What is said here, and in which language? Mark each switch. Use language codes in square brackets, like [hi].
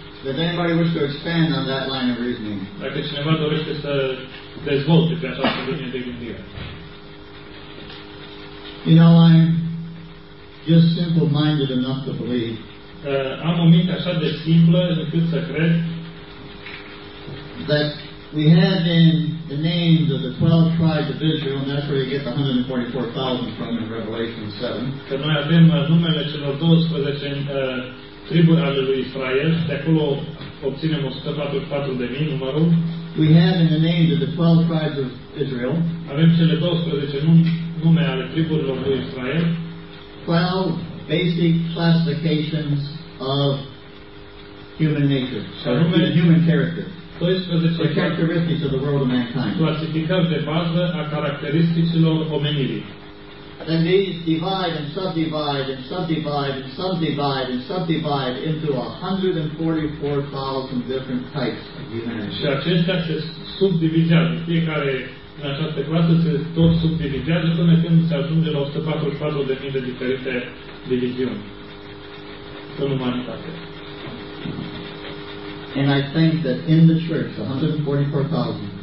[en] Does anybody wish to expand on that line of reasoning? [ro] Dacă cineva dorește să dezvolte pe această linie de gândire. [en] You know, I'm just simple-minded enough to believe. [ro] Am o minte așa de simplă încât să cred. [en] That we have in the names of the 12 tribes of Israel, and that's where you get the 144,000 from in Revelation 7. [ro] Că noi avem numele celor 12 triburi ale lui Israel, de acolo obținem 144,000 numărul. [en] We have in the names of the 12 tribes of Israel. [ro] Avem cele 12 nume ale triburilor lui Israel. [en] 12 basic classifications of human nature, so human character. 12 the characteristics of the world of mankind. [ro] Clasificări de bază a caracteristicilor omenirii. [en] Then these divide and subdivide and subdivide and subdivide and subdivide into 144,000 different types of humanity. [ro] Și acestea se subdivizează. Fiecare în această clasă se tot subdivizează până când se ajunge la 144,000 de diferite diviziuni în umanitate. [en] And I think that in the church, 144,000.